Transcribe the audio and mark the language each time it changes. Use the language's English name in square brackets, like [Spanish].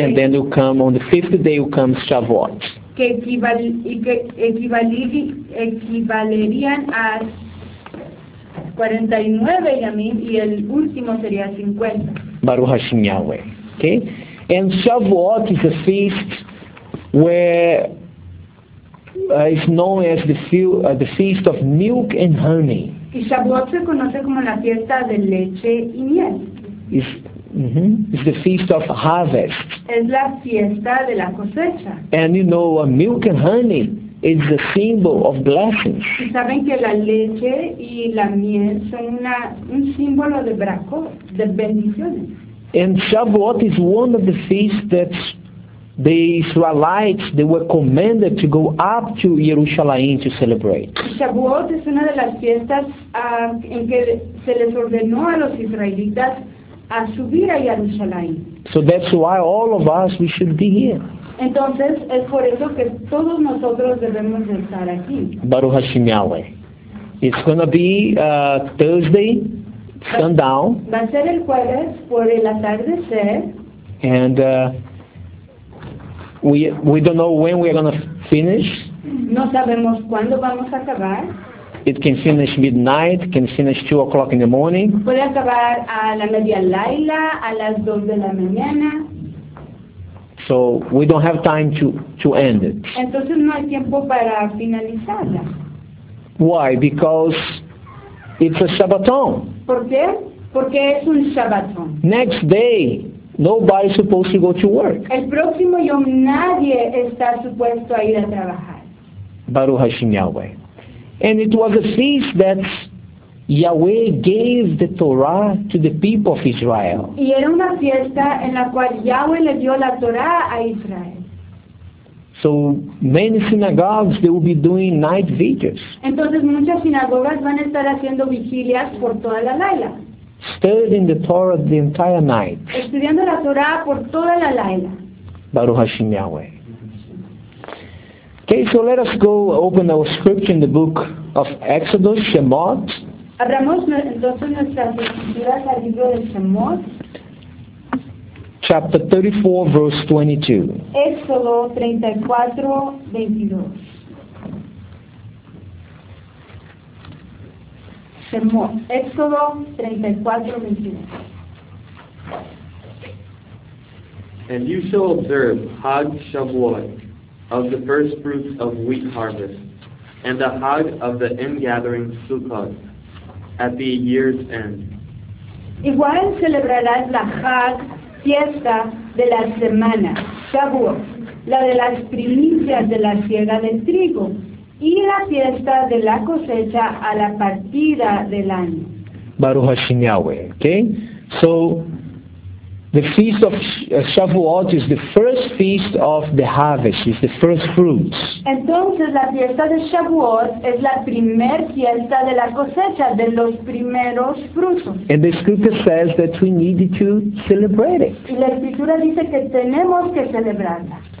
[English] And then you come on the 50th day, you come Shavuot. [Spanish] Que equivalerían a 49 yamim y el último sería 50. [Hebrew] Baruch Hashem Yahweh. Okay? [English] And Shavuot is a feast where it's known as the feast of milk and honey. [Spanish] Y Shavuot se conoce como la fiesta de leche y miel. [English] It's the feast of harvest. [Spanish] Es la fiesta de la cosecha. [English] And you know, milk and honey is a symbol of blessings. [Spanish] Y saben que la leche y la miel son un símbolo de braco, de bendiciones. [English] And Shavuot is one of the feasts that the Israelites, they were commanded to go up to Jerusalem to celebrate. [Spanish] Shavuot es una de las fiestas en que se les ordenó a los israelitas a subir a Jerusalén. [English] So that's why all of us, we should be here. [Spanish] Entonces, es por eso que todos nosotros debemos estar aquí. [Hebrew] Baruch Hashem Yahweh. [English] It's going to be Thursday. Sundown. [Spanish] Va a ser el jueves por el atardecer. [English] And we don't know when we are going to finish. [Spanish] No sabemos cuándo vamos a acabar. [English] It can finish midnight, can finish 2 o'clock in the morning. [Spanish] Puede acabar a la media laila, a las 2 de la mañana. [English] So we don't have time to end it. [Spanish] Entonces no hay tiempo para finalizarla. [English] Why? Because it's a Shabbaton. [Spanish] ¿Por qué? Porque es un Shabbaton. [English] Next day, nobody's supposed to go to work. [Spanish] El próximo yom nadie está supuesto a ir a trabajar. [Hebrew] Baruch Hashem Yahweh. [English] And it was a feast that Yahweh gave the Torah to the people of Israel. [Spanish] Y era una fiesta en la cual Yahweh le dio la Torah a Israel. [English] So many synagogues, they will be doing night vigils. [Spanish] Entonces muchas sinagogas van a estar haciendo vigilias por toda la laila. [English] Studying the Torah the entire night. [Spanish] Estudiando la Torah por toda la laila. [Hebrew] Baruch Hashem Yahweh. [English] Okay, so let us go open our scripture in the book of Exodus, Shemot. [Spanish] Abramos entonces nuestras escrituras al libro de Shemot. [English] Chapter 34, verse 22. [Spanish] Éxodo 34, 22. Éxodo 34, 22. [English] And you shall observe Hag Shavuot of the first fruits of wheat harvest, and the Hag of the ingathering Sukkot at the year's end. [Spanish] Igual celebrarás la Hag Fiesta de la semana, Shavuot, la de las primicias de la siega del trigo, y la fiesta de la cosecha a la partida del año. [Hebrew] Baruch Hashem Yahweh, [English] okay? So, The feast of Shavuot is the first feast of the harvest, is the first fruits. [Spanish] Entonces la fiesta de Shavuot es la primer fiesta de la cosecha, de los primeros frutos. [English] And the scripture says that we need to celebrate it. [Spanish] Y la escritura dice que tenemos que celebrarla.